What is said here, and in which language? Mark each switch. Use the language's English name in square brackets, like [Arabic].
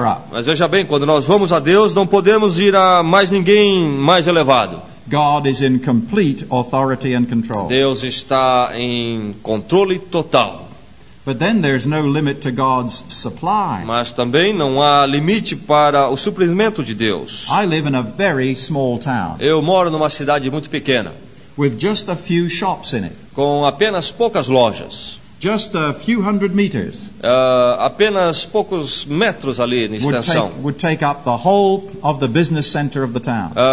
[Portuguese] Mas veja bem, quando nós vamos a Deus, não podemos ir a mais ninguém mais elevado. [English] God is in complete authority and control. [Portuguese] Deus está em controle total. [English] But then there's no limit to God's supply. [Portuguese] Mas também não há limite para o suprimento de Deus. [English] I live in a very small town. [Portuguese] Eu moro numa cidade muito pequena. [English] With just a few shops in it. [Portuguese] Com apenas poucas lojas. [English] Just a few hundred meters. [Portuguese] Apenas poucos metros ali em extensão. [English] Would take up the whole of the business center of the town.